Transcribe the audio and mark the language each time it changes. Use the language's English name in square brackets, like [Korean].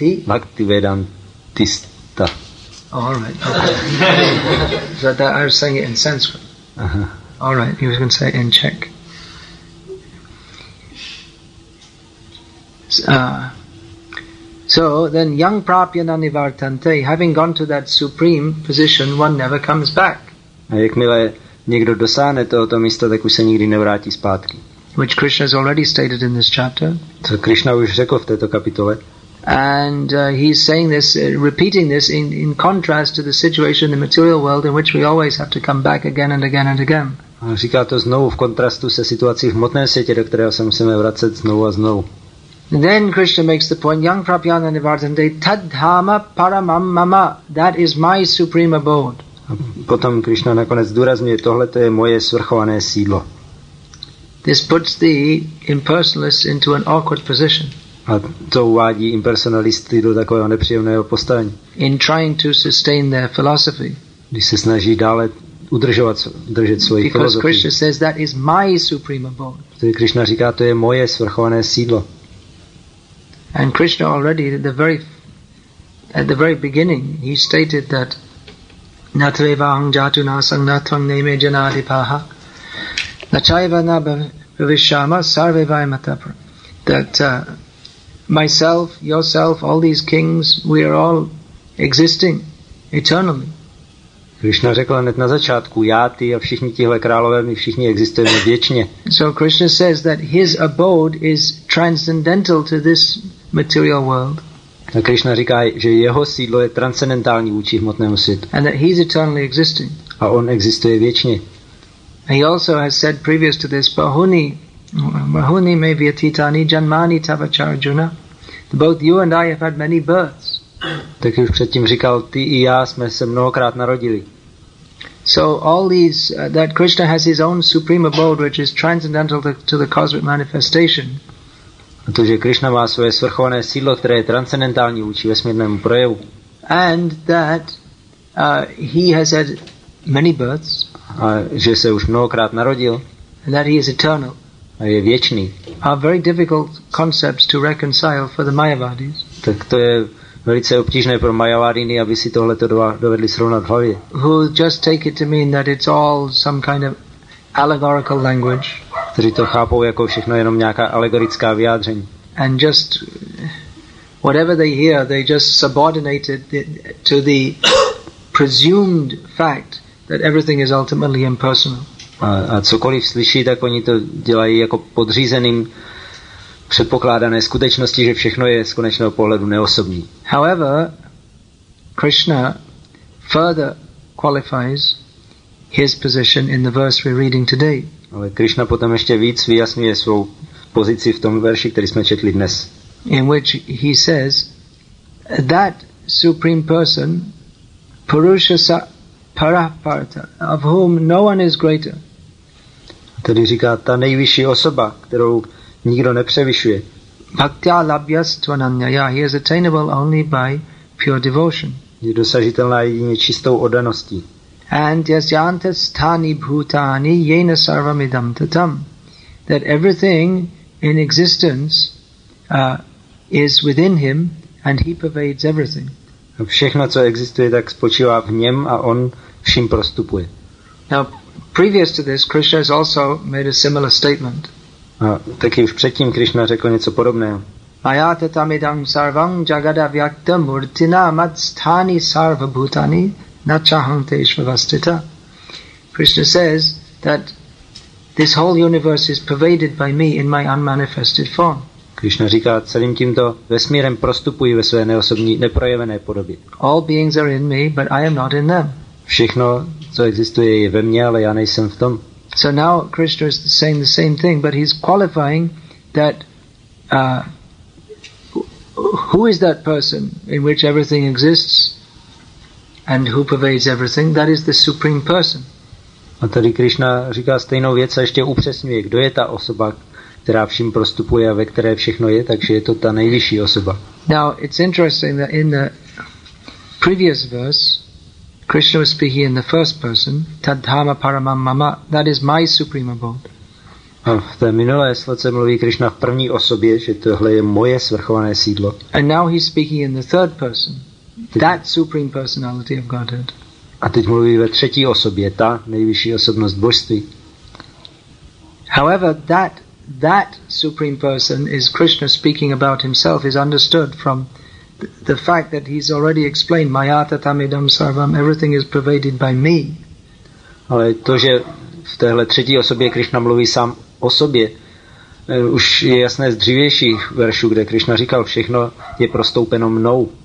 [English] Bhakti Vedantista. Oh, all right. Okay. So that I was saying it in Sanskrit. Uh-huh. All right. He was going to say it in Czech. So then [Sanskrit] yang prapyana nivartante, [English] having gone to that supreme position, one never comes back. [Czech] A jakmile někdo dosáhne tohoto místa, tak už se nikdy nevrátí zpátky. [English] Which Krishna has already stated in this chapter. [Czech] To Krishna už řekl v této kapitole. [English] And he's saying this, repeating this in contrast to the situation in the material world in which we always have to come back again and again and again. [Czech] A říká to znovu v kontrastu se situací v hmotném světě, do kterého se musíme vracet znovu a znovu. [English] Then Krishna makes the point, [Sanskrit] yang prapyana nivartante tad dhamma paramam mama, [English] that is my supreme abode. [Czech] A potom Krišna nakonec zdůrazňuje, tohle to je moje svrchované sídlo. [English] This puts the impersonalist into an awkward position. [Czech] A to uvádí impersonalisty do takového nepříjemného postavení. [English] In trying to sustain their philosophy. [Czech] Když se snaží dále udržovat, držet svoji filozofii. [English] Because Krishna says that is my supreme abode. [Czech] Protože Krišna říká, to je moje svrchované sídlo. [English] And Krishna already at the very beginning he stated that [Sanskrit] natrevaṁ jātunā saṅgatvaṁ neme janādipāha nacaiva na bhaviṣyāma sarve vayamatapra, [English] that myself, yourself, all these kings, we are all existing eternally. [Czech] Krishna řekl hned na začátku, já, ty a všichni tihle králové, my všichni existujeme věčně. [English] So Krishna says that his abode is transcendental to this material world. [Czech] A Krishna říká, že jeho sídlo je transcendentální vůči hmotnému světu. [English] And that he's eternally existing. [Czech] A on existuje věčně. [English] He also has said previous to this, [Sanskrit] bahuni me vyatitani janmani tavacharjuna. [English] Both you and I have had many births. [Czech] Tak už předtím říkal, ty i já jsme se mnohokrát narodili. [English] So all these, that Krishna has his own supreme abode, which is transcendental to the cosmic manifestation. [Czech] A to, že Krishna má svoje svrchované sídlo, které je transcendentální vůči vesmírnému projevu. [English] And that he has had many births. [Czech] A že se už mnohokrát narodil. [English] And that he is eternal. [Czech] A je věčný. [English] Are very difficult concepts to reconcile for the Mayavadis. [Czech] Tak to je velice obtížné pro Mayavadiny, aby si tohle to dovedli srovnat v hlavě. [English] Who just take it to mean that it's all some kind of allegorical language. [Czech] Kteří to chápou jako všechno jenom nějaká alegorická vyjádření. [English] And just whatever they hear, they just subordinate it to the presumed fact that everything is ultimately impersonal. [Czech] A cokoliv slyší, tak oni to dělají jako podřízeným předpokládané skutečnosti, že všechno je z konečného pohledu neosobní. [English] However, Krishna further qualifies his position in the verse we're reading today. [Czech] Ale Krishna potom ještě víc vyjasňuje svou pozici v tom verši, který jsme četli dnes. [English] In which he says that supreme person Purusha Parapartha, of whom no one is greater. [Czech] Tedy říká, ta nejvyšší osoba, kterou nikdo nepřevyšuje. [Sanskrit] Bhaktya labhyastvananyaya, [English] he is attainable only by pure devotion. [Czech] Je dosažitelná jedině čistou oddaností. [English] And [Sanskrit] yasyantasthani bhutani yena sarvamidam tatam, [English] that everything in existence is within him and he pervades everything. [Czech] Všechno, co existuje, tak spočívá v něm a on vším prostupuje. [English] Now, previous to this, Krishna has also made a similar statement. [Czech] A taky už předtím Krishna řekl něco podobného. [Sanskrit] Maya tatamidam sarvam jagada vyakta murtina madsthani sarva bhutani nachahanteshvavastita. [English] Krishna says that this whole universe is pervaded by me in my unmanifested form. [Czech] Krishna říká, celým tímto vesmírem prostupují ve své neosobní, neprojevené podobě. [English] All beings are in me, but I am not in them. [Czech] Všechno, co existuje, je ve mně, ale já nejsem v tom. [English] So now Krishna is saying the same thing, but he's qualifying that who is that person in which everything exists and who pervades everything? That is the supreme person. [Czech] A tady Krishna říká stejnou věc a ještě upřesňuje, kdo je ta osoba, která vším prostupuje a ve které všechno je, takže je to ta nejvyšší osoba. [English] Now it's interesting that in the previous verse Krishna was speaking in the first person, [Sanskrit] tadhama paramam mama, [English] that is my supreme abode. [Czech] A v té minulé sloce mluví Krishna v první osobě, že tohle je moje svrchované sídlo. [English] And now he's speaking in the third person, that supreme personality of Godhead. [Czech] A teď mluví ve třetí osobě, ta nejvyšší osobnost božství. [English] However, that supreme person is Krishna speaking about himself is understood from the fact that he's already explained [Sanskrit] mayata tamidam sarvam, [English] everything is pervaded by me. [Czech] Ale to, že v téhle třetí osobě Krishna mluví sám o sobě, už je jasné z dřívějších veršů, kde Krishna říkal, všechno je prostoupeno mnou.